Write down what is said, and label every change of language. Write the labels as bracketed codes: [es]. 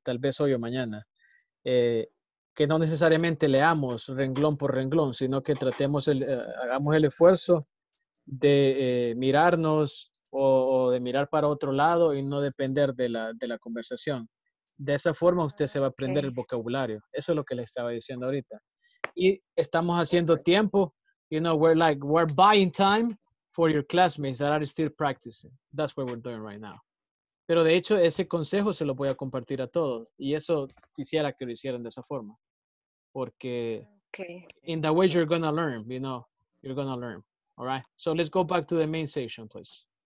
[es] Tal vez hoy o mañana. Que no necesariamente leamos renglón por renglón, sino que tratemos hagamos el esfuerzo de mirarnos o de mirar para otro lado y no depender de la conversación. De esa forma usted se va a aprender el vocabulario. Eso es lo que le estaba diciendo ahorita. Y estamos haciendo tiempo. [en] You know, we're buying time for your classmates that are still practicing. That's what we're doing right now. [es] Pero de hecho, ese consejo se lo voy a compartir a todos. Y eso quisiera que lo hicieran de esa forma. Porque [en] okay. In the way you're going to learn, you know, you're going to learn. All right? So let's go back to the main session, please.